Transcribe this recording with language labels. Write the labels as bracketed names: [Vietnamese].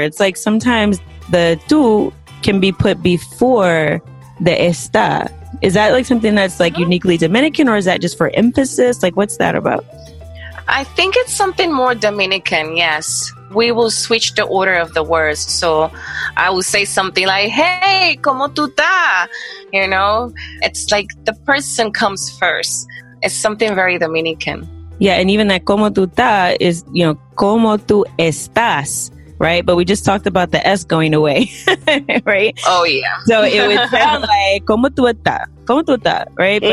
[English] It's like sometimes the tú can be put before the está. Is that like something that's like uniquely Dominican, or is that just for emphasis? Like what's that about? I think it's something more Dominican, yes. We will switch the order of the words. So I will say something like, hey, [Spanish] ¿cómo tú estás? [English] You know, it's like the person comes first. It's something very Dominican. Yeah, and even that [Spanish] ¿cómo tú estás? [English] Is, you know, ¿cómo tú estás? Right? But we just talked about the S going away, right? Oh, yeah. So it would sound like [Spanish] ¿cómo tú estás? ¿Cómo tú estás? [English] Right? Mm-hmm.